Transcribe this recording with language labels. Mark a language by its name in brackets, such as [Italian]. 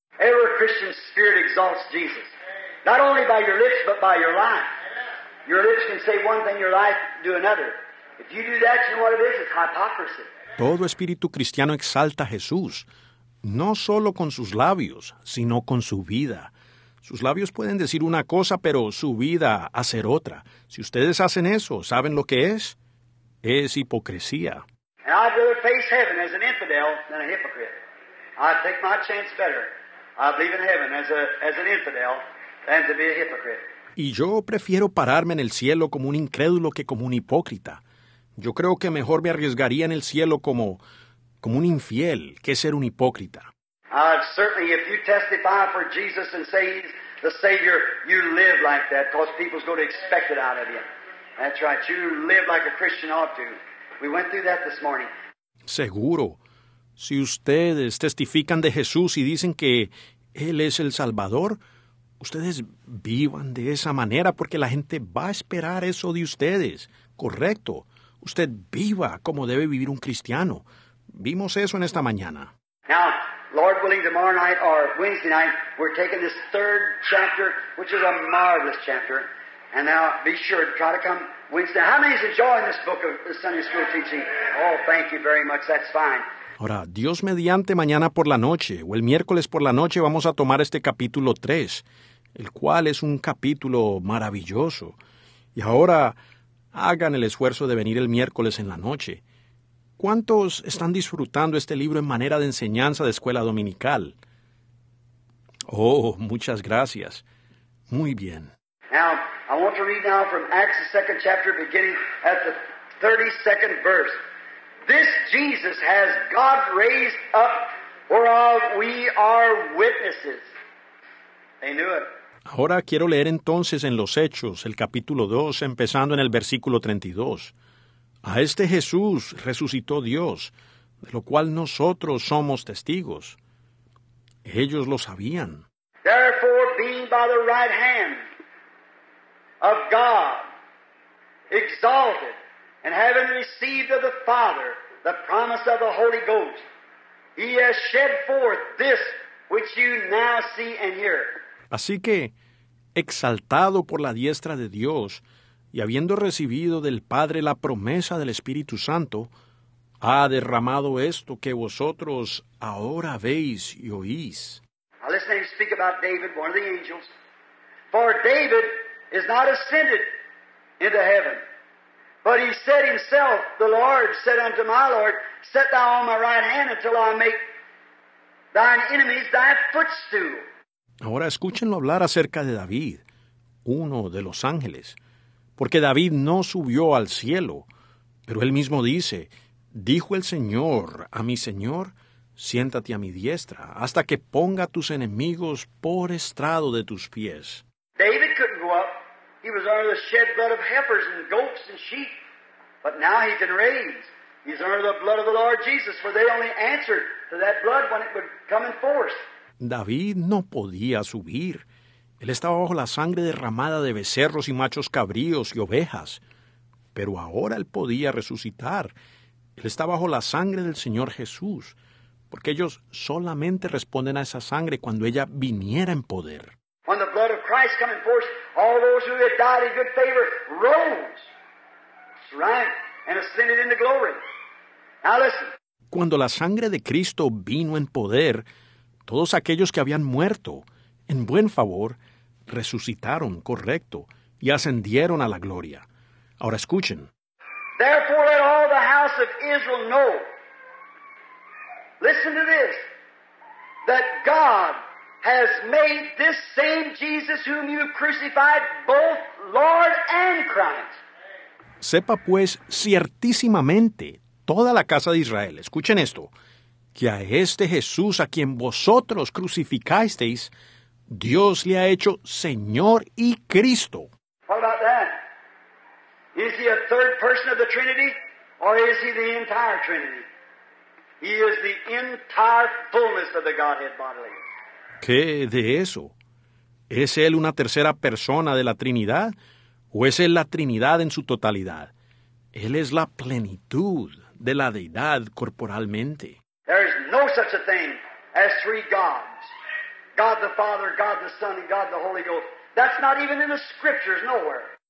[English] Every Christian spirit exalts Jesus. Not only by your lips, but by your life. Your lips can say one thing, your life do another. If you do that, you know what it is? It's hypocrisy. [Spanish] Todo espíritu cristiano exalta a Jesús, no solo con sus labios, sino con su vida. Sus labios pueden decir una cosa, pero su vida hacer otra. Si ustedes hacen eso, ¿saben lo que es? Es hipocresía. [English] I'd rather face heaven as an infidel than a hypocrite. I'd take my chance better. I believe in heaven as an infidel than to be a hypocrite. [Spanish] Y yo prefiero pararme en el cielo como un incrédulo que como un hipócrita. Yo creo que mejor me arriesgaría en el cielo como un infiel que ser un hipócrita. [English] Certainly, if you testify for Jesus and say he's the Savior, you live like that because people's going to expect it out of you. That's right. You live like a Christian ought to. We went through that this morning. [Spanish] Seguro. Si ustedes testifican de Jesús y dicen que Él es el Salvador, ustedes vivan de esa manera porque la gente va a esperar eso de ustedes. Correcto. Usted viva como debe vivir un cristiano. Vimos eso en esta mañana. [English] Now, Lord willing, tomorrow night or Wednesday night, we're taking this third chapter, which is a marvelous chapter. And now, be sure to try to come Wednesday. How many is enjoying this book of the Sunday school teaching? Oh, thank you very much. That's fine. [Spanish] Ahora, Dios mediante, mañana por la noche, o el miércoles por la noche, vamos a tomar este capítulo 3, el cual es un capítulo maravilloso. Y ahora, hagan el esfuerzo de venir el miércoles en la noche. ¿Cuántos están disfrutando este libro en manera de enseñanza de escuela dominical? Oh, muchas gracias. Muy bien. [English] Now, I want to read now from Acts, the second chapter, beginning at the 32nd verse. This Jesus has God raised up, whereof we are witnesses. They knew it. [Spanish] Ahora quiero leer entonces en los Hechos, el capítulo 2, empezando en el versículo 32. A este Jesús resucitó Dios, de lo cual nosotros somos testigos. Ellos lo sabían. [English] Therefore, being by the right hand of God, exalted, and having received of the Father the promise of the Holy Ghost, he has shed forth this which you now see and hear. [Spanish] Así que, exaltado por la diestra de Dios, y habiendo recibido del Padre la promesa del Espíritu Santo, ha derramado esto que vosotros ahora veis y oís. [English] Now listen and speak about David, one of the angels. For David is not ascended into heaven, but he said himself, the Lord said unto my Lord, set thou on my right hand until I make thine enemies thy footstool. [Spanish] Ahora escúchenlo hablar acerca de David, uno de los ángeles. Porque David no subió al cielo, pero él mismo dice, dijo el Señor a mi Señor, siéntate a mi diestra, hasta que ponga a tus enemigos por estrado de tus pies. [English] David couldn't go up. He was under the shed blood of heifers and goats and sheep. But now he can raise. He's under the blood of the Lord Jesus, for they only answered to that blood when it would come in force. [Spanish] David no podía subir. Él estaba bajo la sangre derramada de becerros y machos cabríos y ovejas. Pero ahora él podía resucitar. Él está bajo la sangre del Señor Jesús, porque ellos solamente responden a esa sangre cuando ella viniera en poder. [English] When the blood of Christ came forth, all those who had died in good favor rose, right, and ascended into glory. Now listen. [Spanish] Cuando la sangre de Cristo vino en poder, todos aquellos que habían muerto, en buen favor, resucitaron, correcto, y ascendieron a la gloria. Ahora escuchen. [English] Therefore let all the house of Israel know, listen to this, that God has made this same Jesus whom you crucified both Lord and Christ. [Spanish] Sepa pues ciertísimamente toda la casa de Israel, escuchen esto, que a este Jesús a quien vosotros crucificasteis, Dios le ha hecho Señor y Cristo. [English] What about that? Is he a third person of the Trinity, or is he the entire Trinity? He is the entire fullness of the Godhead bodily. [Spanish] ¿Qué de eso? ¿Es él una tercera persona de la Trinidad, o es él la Trinidad en su totalidad? Él es la plenitud de la Deidad corporalmente. [English] There is no such a thing as three gods. God the Father, God the Son, and God the Holy Ghost. That's not even in the Scriptures, nowhere.